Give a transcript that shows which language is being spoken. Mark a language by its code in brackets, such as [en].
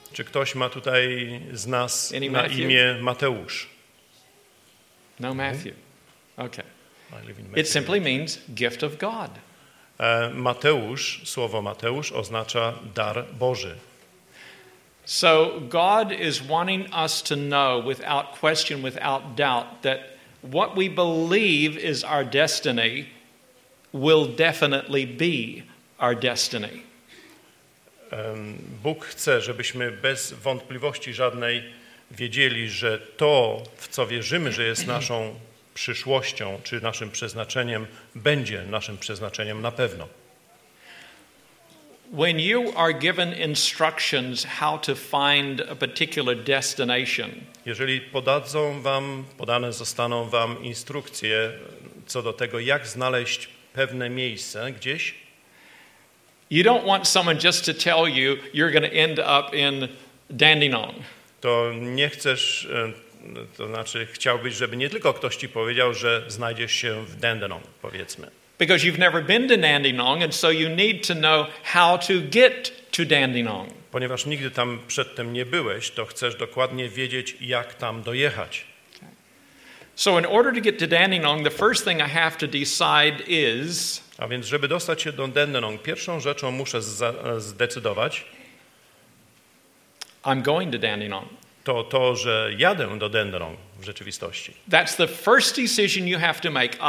[pl] Czy ktoś ma tutaj z nas any na Matthew? Imię Mateusz? No Matthew. Okay. [en] It simply means gift of God. [pl] Mateusz, słowo Mateusz oznacza dar Boży. [en] So God is wanting us to know without question, without doubt that what we believe is our destiny will definitely be our destiny. [pl] Bóg chce, żebyśmy bez wątpliwości żadnej wiedzieli, że to, w co wierzymy, że jest naszą przyszłością, czy naszym przeznaczeniem, będzie naszym przeznaczeniem na pewno. [en] When you are given instructions how to find a particular destination. [pl] Jeżeli podane zostaną wam instrukcje co do tego, jak znaleźć pewne miejsce gdzieś. [en] You don't want someone just to tell you you're going to end up in Dandenong. [pl] To nie chcesz, to znaczy chciałbyś, żeby nie tylko ktoś ci powiedział, że znajdziesz się w Dandenong, powiedzmy. [en] Because you've never been to Dandenong, and so you need to know how to get to Dandenong. [pl] Ponieważ nigdy tam przedtem nie byłeś, to chcesz dokładnie wiedzieć, jak tam dojechać. [en] So in order to get to Dandenong, the first thing I have to decide is. [pl] A więc żeby dostać się do Dandenong, pierwszą rzeczą muszę zdecydować. [en] I'm going to Dandenong. [pl] To, że jadę do Dandenong w rzeczywistości. [en] That's the first decision you have to make.